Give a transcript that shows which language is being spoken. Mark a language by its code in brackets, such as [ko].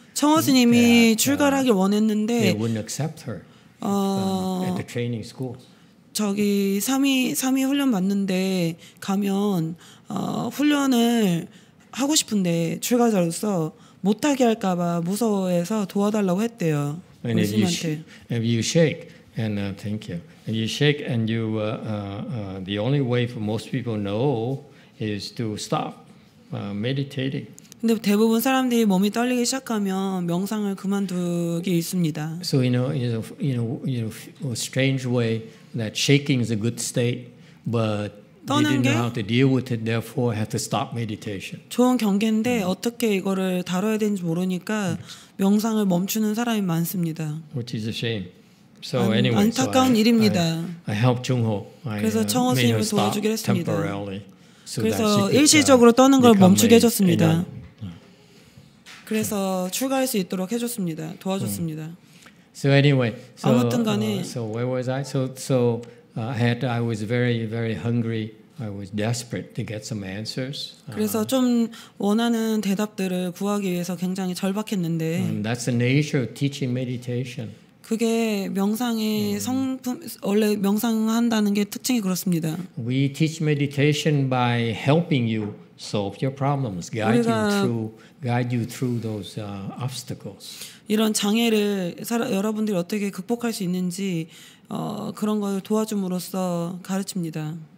[ko] 청호수님이 출가하길 원했는데. [en] They wouldn't accept her at the training school. [ko] 저기 3위 훈련 받는데 가면 훈련을 하고 싶은데 출가자로서 못하게 할까봐 무서워해서 도와달라고 했대요. 원수님한테. [en] If you shake and thank you. If you shake and you the only way for most people know is to stop meditating. [ko] 근데 대부분 사람들이 몸이 떨리기 시작하면 명상을 그만두기 쉽습니다. [en] So you know, strange way that shaking is a good state, but you didn't know how to deal with it, therefore have to stop meditation. [ko] 좋은 경계인데 어떻게 이거를 다뤄야 되는지 모르니까 명상을 멈추는 사람이 많습니다. [en] Which is a shame. So anyway, [ko] 안타까운 일입니다. [en] I helped Chung Ho. [ko] 그래서 청호 선생님을 도와주기로 했습니다. [en] Temporarily. [ko] So 그래서 일시적으로 떠는 걸 멈추게 해줬습니다. 그래서 출가할 수 있도록 해줬습니다. 도와줬습니다. [en] So anyway, so, [ko] 아무튼간에. [en] So where was I? I was very, very hungry. I was desperate to get some answers. [ko] 그래서 좀 원하는 대답들을 구하기 위해서 굉장히 절박했는데. [en] That's the nature of teaching meditation. [ko] 그게 명상의 성품 원래 명상한다는 게 특징이 그렇습니다. [en] We teach meditation by helping you solve your problems, guide you through those obstacles. [ko] 이런 장애를 여러분들이 어떻게 극복할 수 있는지 그런 걸 도와줌으로써 가르칩니다.